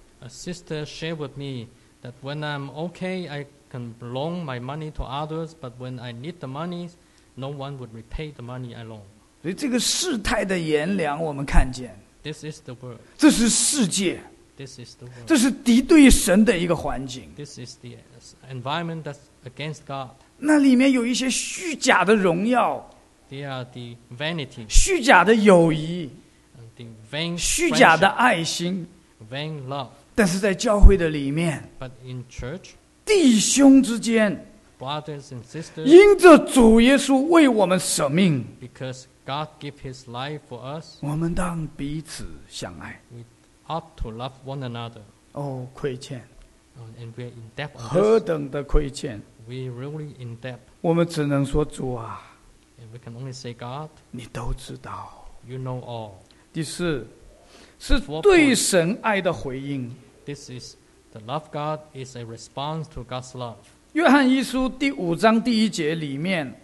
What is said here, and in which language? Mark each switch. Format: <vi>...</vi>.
<en>A sister shared with me that when I'm okay, I can loan my money to others, but when I need the money. No one would repay the money I loan.</en> <zh>所以这个世态的炎凉，我们看见。</zh> <en>This is the world.</en> <zh>这是世界。</zh> <en>This is the world.</en> <zh>这是敌对神的一个环境。</zh> <en>This is the environment that's against God.</en> <zh>那里面有一些虚假的荣耀。</zh> <en>They are the vanity.</en> <zh>虚假的友谊。</zh> <en>The vain.</en> <zh>虚假的爱心。</zh> <en>Vain love.</en> <zh>但是在教会的里面。</zh> <en>But in church.</en> <zh>弟兄之间。</zh> <en>Brothers and sisters,</en> <zh>因着主耶稣为我们舍命</zh> <en>because God gave his life for us,</en> <zh>我们当彼此相爱</zh> <en>we ought to love one another.</en> <zh>哦亏欠</zh> <en>and we are in debt</en> <zh>何等的亏欠</zh> <en>we really in debt.</en> <zh>我们只能说主啊</zh> <en>and we can only say God,</en> <zh>你都知道</zh> <en>you know all.</en> <zh>第四是对神爱的回应</zh> <en>This is the love God is a response to God's love.</en> <zh>约翰一书第五章第一节里面</zh>